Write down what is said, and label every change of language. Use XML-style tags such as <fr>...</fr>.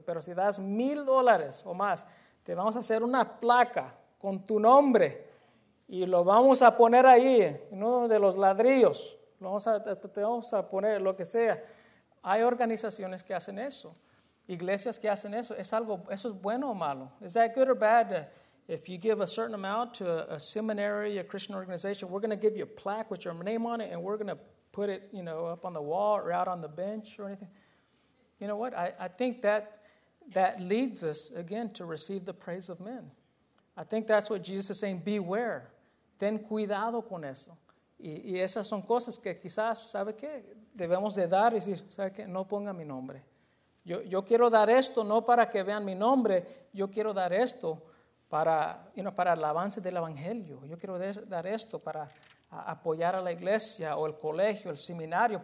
<es>Pero si das $1,000 o más, te vamos a hacer una placa con tu nombre y lo vamos a poner ahí, en uno de los ladrillos. Te vamos a poner lo que sea. Hay organizaciones que hacen eso, iglesias que hacen eso. ¿Es algo, eso es bueno o malo?</es> <en>¿Es that good or bad? If you give a certain amount to a seminary, a Christian organization, we're going to give you a plaque with your name on it, and we're going to put it, you know, up on the wall or out on the bench or anything. You know what? I think that leads us, again, to receive the praise of men. I think that's what Jesus is saying, beware.</en> <es>Ten cuidado con eso. Y esas son cosas que quizás, ¿sabe qué? Debemos de dar y decir, ¿sabe qué? No ponga mi nombre. Yo quiero dar esto no para que vean mi nombre. Yo quiero dar esto para,</es> <en>you know,</en> <es>para el avance del evangelio. Yo quiero dar esto para apoyar a la iglesia o el colegio, el seminario.</es>